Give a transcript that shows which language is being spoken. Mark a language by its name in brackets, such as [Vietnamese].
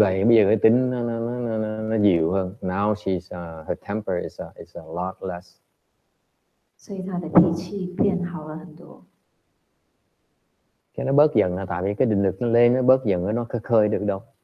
[Vietnamese] vậy bây giờ cái tính nó dịu hơn. [English] Now she's her temper is a lot less. [Chinese] 所以她的脾气变好了很多。 [Vietnamese] Cái nó bớt dần là tại vì cái định lực nó lên, nó bớt dần, nó khơi được đâu.